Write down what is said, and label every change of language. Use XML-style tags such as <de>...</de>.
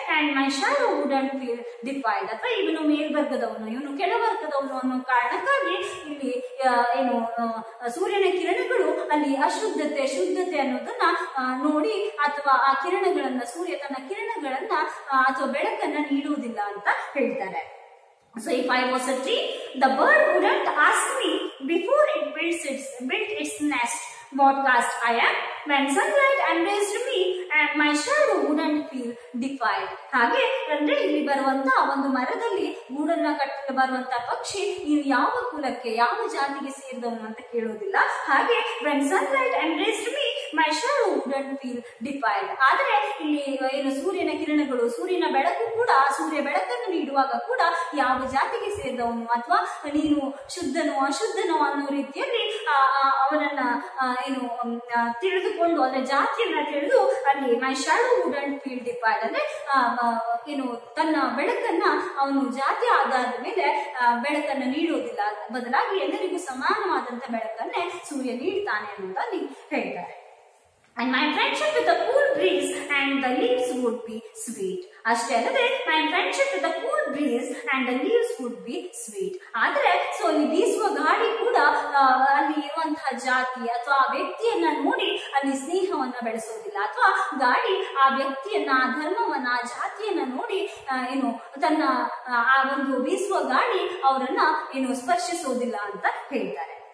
<en>and my shadow wouldn't feel defiled</en> <kn>ಅಥವಾ ಇವನು ಮೇಲ್ವರ್ಗದವನು ಇವನು ಕೆಳವರ್ಗದವನು ಅನ್ನೋ ಕಾರಣಕ್ಕಾಗಿ ಇಲ್ಲಿ ಏನು ಸೂರ್ಯನ ಕಿರಣಗಳು ಅಲ್ಲಿ ಅಶುದ್ಧತೆ ಶುದ್ಧತೆ ಅನ್ನೋದನ್ನ ನೋಡಿ ಅಥವಾ ಆ ಕಿರಣಗಳನ್ನ ಸೂರ್ಯ ತನ್ನ ಕಿರಣಗಳನ್ನ ಅಥವಾ ಬೆಳಕನ್ನ ನೀಡುವುದಿಲ್ಲ ಅಂತ ಹೇಳ್ತಾರೆ.</kn> <en>So if I was a tree the bird wouldn't ask me before it builds its nest podcast. I am when sunlight embraced me and my shadow wouldn't feel defiled.</en> <kn>ಹಾಗೆ ಅಂದ್ರೆ ಇಲ್ಲಿ ಬರುವಂತ ಒಂದು ಮರದಲ್ಲಿ ಗೂಡನ್ನ ಕಟ್ಟಿ ಬರುವಂತ ಪಕ್ಷಿ ನೀನು ಯಾವ ಕುಲಕ್ಕೆ ಯಾವ ಜಾತಿಗೆ ಸೇರಿದವನು ಅಂತ ಕೇಳೋದಿಲ್ಲ.</kn> <en>ಹಾಗೆ when sunlight embraced me my shadow wouldn't feel defiled.</en> <kn>ಆದ್ರೆ ಇಲ್ಲಿ ಏನು ಸೂರ್ಯನ ಕಿರಣಗಳು ಸೂರ್ಯನ ಬೆಳಕು ಕೂಡ ಸೂರ್ಯ ಬೆಳಕನ್ನು ನೀಡುವಾಗ ಕೂಡ ಯಾವ ಜಾತಿಗೆ ಸೇರಿದವನು ಅಥವಾ ನೀನು ಶುದ್ಧನೋ ಅಶುದ್ಧನೋ ಅನ್ನೋ ರೀತಿಯಲ್ಲಿ ಅವನನ್ನ ಏನು ತಿಳಿದುಕೊಂಡು ಅಂದ್ರೆ ಜಾತಿಯನ್ನ ತಿಳಿದು ಅಲ್ಲಿ</kn> <en>my shadow wouldn't feel defiled</en> <kn>ಅಂದ್ರೆ ಏನು ತನ್ನ ಬೆಳಕನ್ನ ಅವನು ಜಾತಿ ಆಧಾರದ ಮೇಲೆ ಬೆಳಕನ್ನ ನೀಡುವುದಿಲ್ಲ, ಬದಲಾಗಿ ಎಲ್ಲರಿಗೂ ಸಮಾನವಾದಂತ ಬೆಳಕನ್ನೇ ಸೂರ್ಯ ನೀಡ್ತಾನೆ ಅಂತ ಅಲ್ಲಿ ಹೇಳ್ತಾರೆ.</kn> <en>And my friendship with the cool breeze and the leaves would be sweet.</en> <kn>ಅಷ್ಟೇ ಅಲ್ಲದೆ</kn> <en>My friendship with cool breeze and the leaves would be sweet.</en> <kn>ಆದ್ರೆ ಸೊ ಈ ಬೀಸುವ ಗಾಳಿ ಕೂಡ ಅಲ್ಲಿ ಇರುವಂತಹ ಜಾತಿ ಅಥವಾ ಆ ವ್ಯಕ್ತಿಯನ್ನ ನೋಡಿ ಅಲ್ಲಿ ಸ್ನೇಹವನ್ನ ಬೆಳೆಸೋದಿಲ್ಲ, ಅಥವಾ ಗಾಳಿ ಆ ವ್ಯಕ್ತಿಯನ್ನ ಆ ಧರ್ಮವನ್ನ ಆ ಜಾತಿಯನ್ನ ನೋಡಿ ಏನು ತನ್ನ ಆ ಒಂದು ಬೀಸುವ ಗಾಳಿ ಅವರನ್ನ ಏನು ಸ್ಪರ್ಶಿಸೋದಿಲ್ಲ ಅಂತ ಹೇಳ್ತಾರೆ.</kn>